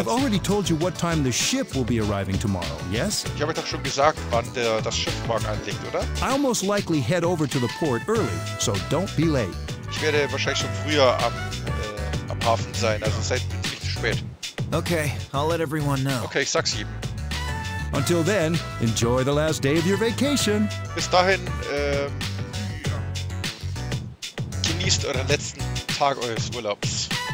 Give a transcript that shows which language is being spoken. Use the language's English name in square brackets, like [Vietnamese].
[English] I've already told you what time the ship will be arriving tomorrow, yes? [German] Ich habe doch schon gesagt, wann das Schiff morgen anlegt, oder? [English] I'll most likely head over to the port early, so don't be late. [German] Ich werde wahrscheinlich schon früher am Hafen sein, also seid nicht zu spät. [English] Okay, I'll let everyone know. [German] Okay, ich sag's ihm. [English] Until then, enjoy the last day of your vacation. [German] Bis dahin, genießt euren letzten Tag eures Urlaubs.